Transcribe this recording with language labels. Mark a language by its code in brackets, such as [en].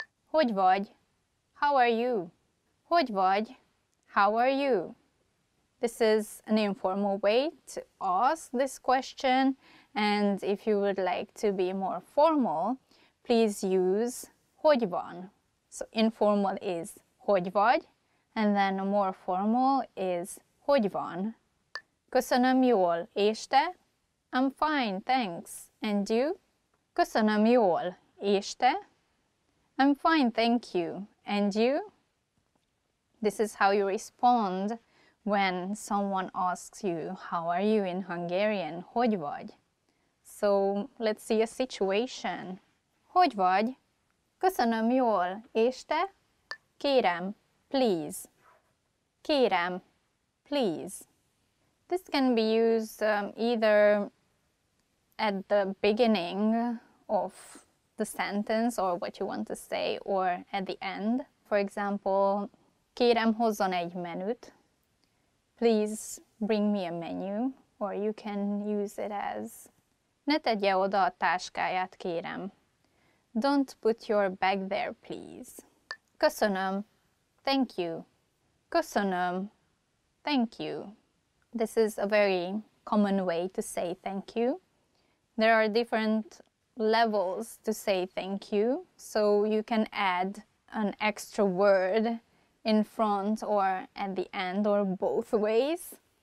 [hu] Hogy vagy? [en] How are you? Hogy vagy? How are you? This is an informal way to ask this question, and if you would like to be more formal, please use [hu] hogy van. [en] So informal is [hu] hogy vagy, [en] and then more formal is [hu] hogy van. Köszönöm jól, és te? [en] I'm fine, thanks. And you? [hu] Köszönöm jól, és te? [en] I'm fine, thank you. And you? This is how you respond when someone asks you, how are you in Hungarian? [hu] Hogy vagy? [en] So let's see a situation. Hogy vagy? [hu] Köszönöm jól, és te? Kérem, please. Kérem, please. [en] This can be used either at the beginning of the sentence or what you want to say, or at the end. For example, [hu] kérem, hozzon egy menüt. [en] Please bring me a menu. Or you can use it as [hu] ne tegye oda a táskáját, kérem. [en] Don't put your bag there, please. [hu] Köszönöm. [en] Thank you. Köszönöm. Thank you. This is a very common way to say thank you. There are different levels to say thank you, so you can add an extra word in front or at the end or both ways.